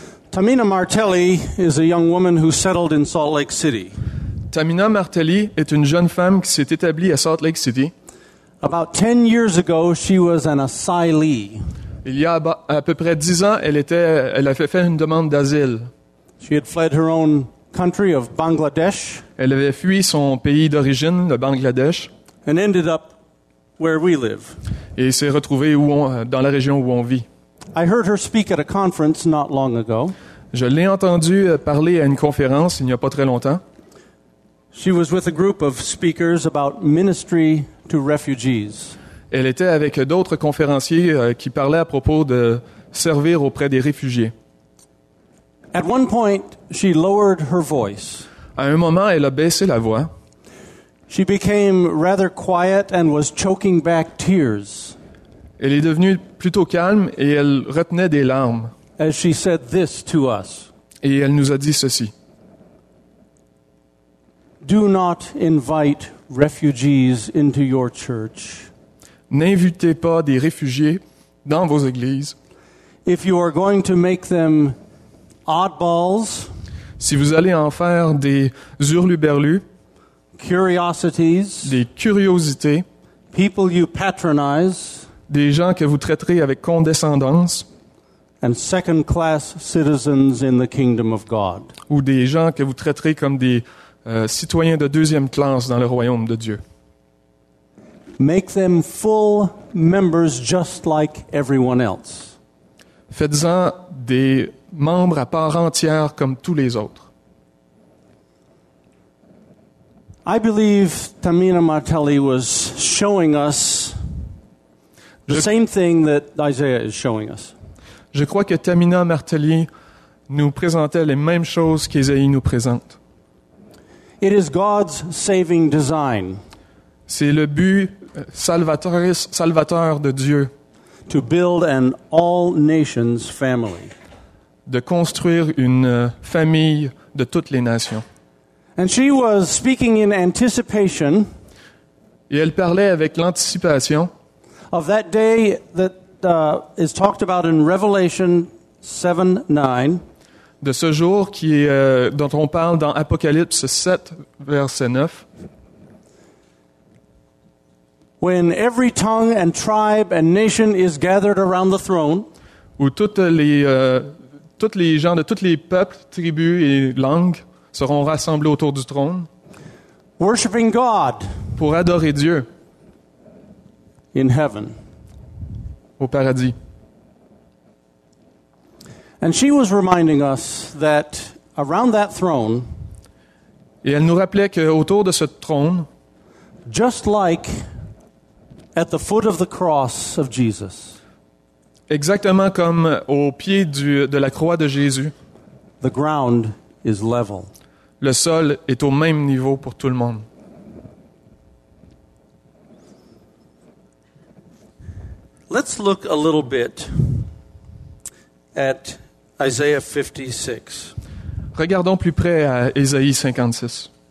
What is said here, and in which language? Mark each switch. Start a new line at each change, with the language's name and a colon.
English: Tamina Martelli is a young woman who settled in Salt Lake City.
French: Tamina Martelli est une jeune femme qui s'est établie à Salt Lake City.
English: About 10 years ago, she was an asylee.
French: Il y a à peu près 10 ans, elle avait fait une demande d'asile.
English: She had fled her own country of Bangladesh.
French: Elle avait fui son pays d'origine, le Bangladesh.
English: And ended up where we live.
French: Et s'est retrouvée dans la région où on vit.
English: I heard her speak at a conference not long ago.
French: Je l'ai entendue parler à une conférence il n'y a pas très longtemps.
English: She was with a group of speakers about ministry to refugees.
French: Elle était avec d'autres conférenciers qui parlaient à propos de servir auprès des réfugiés.
English: At one point, she lowered her voice.
French: À un moment, elle a baissé la voix.
English: She became rather quiet and was choking back tears.
French: Elle est devenue plutôt calme et elle retenait des larmes.
English: As she said this to us.
French: Et elle nous a dit ceci.
English: Do not invite refugees into your church.
French: N'invitez pas des réfugiés dans vos églises.
English: If you are going to make them oddballs,
French: si vous allez en faire des hurluberlus,
English: curiosities,
French: des curiosités,
English: people you patronize,
French: des gens que vous traiterez avec condescendance,
English: and second-class citizens in the kingdom of God.
French: Ou des gens que vous traiterez comme des citoyens de deuxième classe dans le royaume de Dieu.
English: Make them full members just like everyone else.
French: Faites-en des membres à part entière comme tous les autres.
English: I believe Tamina Martelli was showing us the same thing that Isaiah is showing us.
French: Je crois que Tamina Martelli nous présentait les mêmes choses qu'Ésaïe nous présente.
English: It is God's saving design.
French: C'est le but salvateur de Dieu.
English: To build an all nations family.
French: De construire une famille de toutes les nations.
English: And she was speaking in anticipation.
French: Et elle parlait avec l'anticipation.
English: Of that day that is talked about in Revelation 7:9.
French: De ce jour qui est, dont on parle dans Apocalypse 7, verset 9.
English: When every tongue and tribe and nation is gathered around the throne.
French: Où toutes les gens de tous les peuples, tribus et langues seront rassemblés autour du trône.
English: Worshiping God.
French: Pour adorer Dieu.
English: In heaven.
French: Au paradis.
English: And she was reminding us that around that throne.
French: Et elle nous rappelait que autour de ce trône.
English: Just like at the foot of the cross of Jesus.
French: Exactement comme au pied de la croix de Jésus.
English: The ground is level.
French: Le sol est au même niveau pour tout le monde.
English: Let's look a little bit at Isaiah 56.
French: Regardons plus près à Ésaïe 56.